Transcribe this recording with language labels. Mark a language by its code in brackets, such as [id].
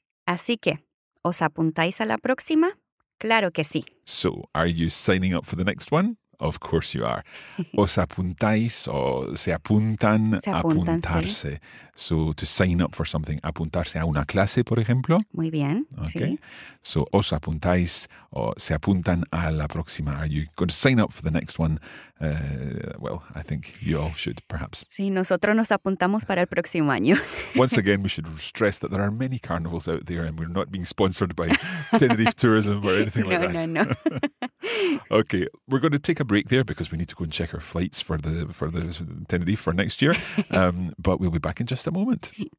[es] Así que, ¿os apuntáis a la próxima? Claro que sí. [en] So, are you signing up for the next one? Of course you are. [es] ¿Os apuntáis o se apuntan? Se apuntan, apuntarse. Sí. [en] So, to sign up for something, [es] apuntarse a una clase, por ejemplo. Muy bien, okay. Sí. So, ¿os apuntáis o se apuntan a la próxima? [en] Are you going to sign up for the next one? Well, I think you all should, perhaps. [es] Sí, nosotros nos apuntamos para el próximo año. [en] Once again, we should stress that there are many carnivals out there and we're not being sponsored by Tenerife Tourism or anything like that. No. Okay, we're going to take a break there because we need to go and check our flights for the Tenerife for next year. But we'll be back in just a moment.